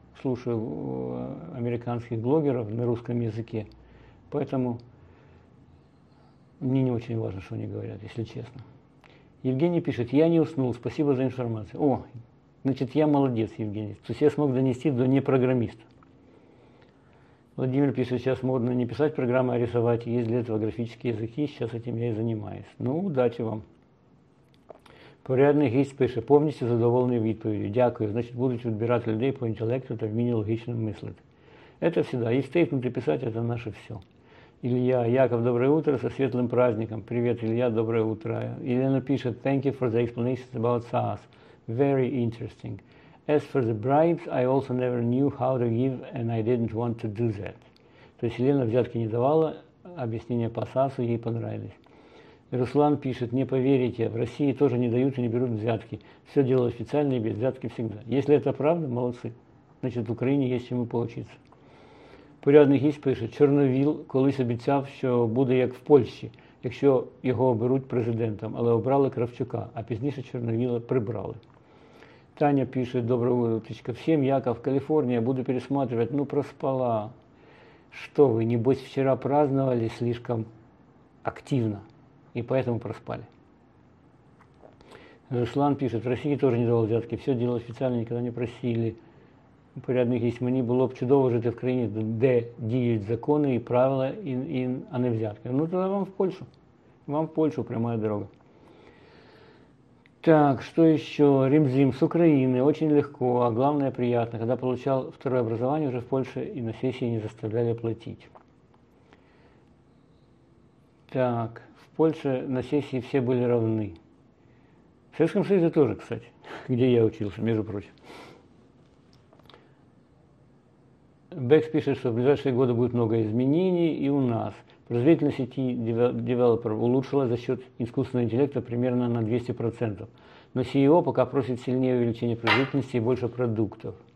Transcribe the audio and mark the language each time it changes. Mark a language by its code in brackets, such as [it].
[ru] слушаю американских блогеров на русском языке, поэтому мне не очень важно, что они говорят, если честно. Евгений пишет: «Я не уснул, спасибо за информацию». О, значит, я молодец, Евгений. То есть я смог донести до непрограммиста. Владимир пишет: «Сейчас модно не писать программы, а рисовать. Есть для этого графические языки, сейчас этим я и занимаюсь». Ну, удачи вам. [uk] Порядный гість пише: «Повністю задоволений відповіддю. Дякую. Значить, будуть відбирати людей по інтелекту та вміння логічно мислити». [ru] Это всегда. И стейкнуть, и писать – это наше все. Илья: «Яков, доброе утро, со светлым праздником». Привет, Илья, доброе утро. Елена пишет: [en] «Thank you for the explanations about SaaS. Very interesting. As for the bribes, I also never knew how to give and I didn't want to do that». [ru] То есть Елена взятки не давала, объяснения по SaaS ей понравились. Руслан пишет: «Не поверите, в России тоже не дают и не берут взятки. Все дело официально и без взятки всегда». Если это правда, молодцы. Значит, в Украине есть чему поучиться. [uk] Порядний гість пише: «Чорновіл колись обіцяв, що буде як в Польщі, якщо його оберуть президентом, але обрали Кравчука, а пізніше Чорновіла прибрали». Таня пише: «Доброго утречка всім, Яков, Каліфорнія, буду пересматривати». [ru] Ну, проспала. [uk] Що ви, [ru] небось, вчора празднували слишком активно, і поэтому проспали. [uk] Руслан пише: «В Росії теж не давали взятки, все діло офіційно, ніколи не просили». Порядних гість: «Мені було б чудово жити в країні, де діють закони і правила, а не взятки». Ну, тоді вам в Польщу. Вам в Польщу пряма дорога. Так, що ще? Рімзім з України. [ru] Очень легко, [uk] а головне – приємно. Коли отримав второе образование вже в Польщі і на сесії не заставляли платити. Так, в Польщі на сесії всі були рівні. В Совєтському Союзі теж, кстати, де я учився, між прочим. [ru] Бекс пишет, что в ближайшие годы будет много изменений и у нас. Производительность сети девелоперов улучшилась за счет искусственного интеллекта примерно на 200%. Но CEO пока просит сильнее увеличения производительности и больше продуктов.